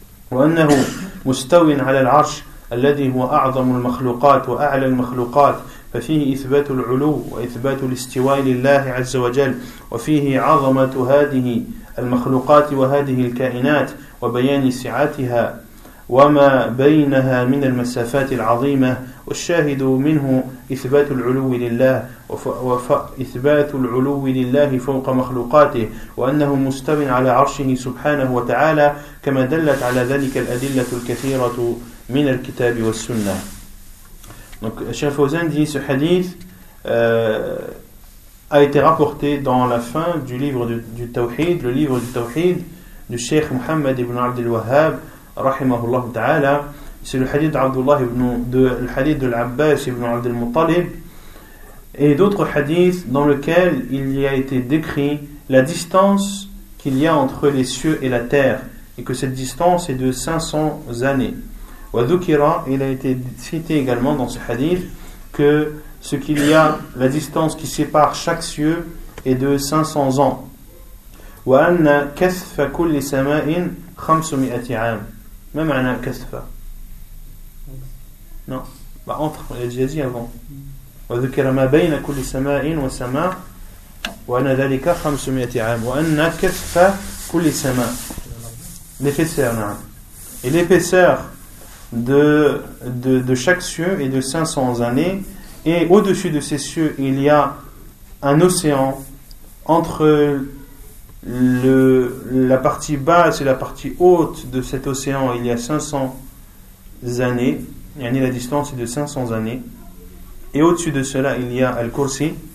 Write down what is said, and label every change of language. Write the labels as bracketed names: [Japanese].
[Arabic] وأنه مستو على العرش الذي هو أعظم المخلوقات وأعلى المخلوقات ففيه إثبات العلو وإثبات الاستواء لله عز وجل وفيه عظمة هذه المخلوقات وهذه الكائنات وبيان سعتها وما بينها من المسافات العظيمة والشاهد منه إثبات العلو لله إثبات العلو لله فوق مخلوقاته وأنه مستو على عرشه سبحانه وتعالى كما دلت على ذلك الأدلة الكثيرة من الكتاب والسنة. [French] Donc, Cheikh Fawzan dit, ce hadith a été rapporté dans la fin du livre du Tawhid, le livre du Tawhid du Cheikh Muhammad ibn Abd al-Wahhab, rahimahullah ta'ala. C'est le hadith d'Abdullah ibn, le hadith de l'Abbas ibn Abd al-Muttalib et d'autres hadiths dans lesquels il y a été décrit la distance qu'il y a entre les cieux et la terre et que cette distance est de 500 années. وذكر, il a été cité également dans ce hadith que ce qu'il y a, la distance qui sépare chaque cieux est de 500 ans. [Arabic] وأن كثف كل سماء 500 عام. Ma معنى كثف? [French] Non. Bah, entre, il a déjà dit avant. [Arabic] وذكر ما بين كل سماء وسماء وأن ذلك 500 عام. وأن كثف كل سماء. [French] L'épaisseur, non. Et l'épaisseur de chaque cieux et de 500 années et au-dessus de ces cieux il y a un océan entre la partie basse et la partie haute de cet océan il y a 500 années yani la distance est de 500 années et au-dessus de cela il y a Al-Kursi